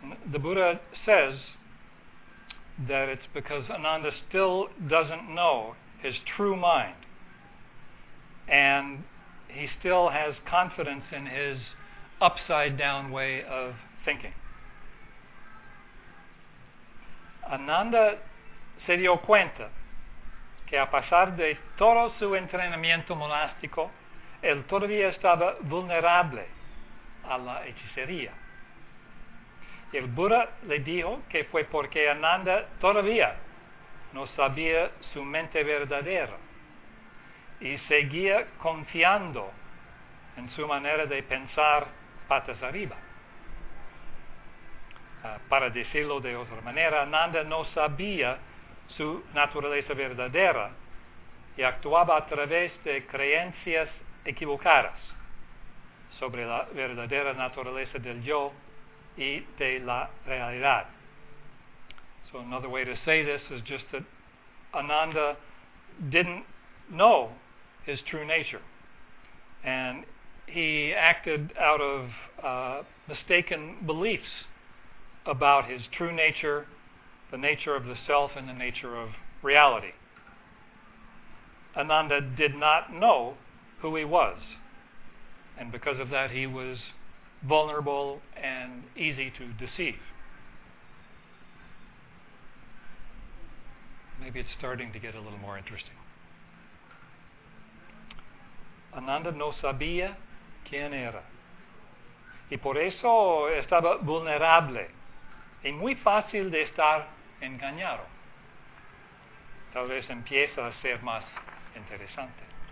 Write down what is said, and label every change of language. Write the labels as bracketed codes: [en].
[en] The Buddha says that it's because Ananda still doesn't know his true mind, and he still has confidence in his upside-down way of thinking. [es] Ananda se dio cuenta que a pesar de todo su entrenamiento monástico, él todavía estaba vulnerable a la hechicería. El Buda le dijo que fue porque Ananda todavía no sabía su mente verdadera y seguía confiando en su manera de pensar patas arriba. Para decirlo de otra manera, Ananda no sabía su naturaleza verdadera y actuaba a través de creencias equivocadas sobre la verdadera naturaleza del yo y de la realidad. [en] So another way to say this is just that Ananda didn't know his true nature, and he acted out of mistaken beliefs about his true nature, the nature of the self, and the nature of reality. Ananda did not know who he was, and because of that he was vulnerable and easy to deceive. Maybe it's starting to get a little more interesting. [es] Ananda no sabía quién era, y por eso estaba vulnerable y muy fácil de estar engañado. Tal vez empieza a ser más interesante.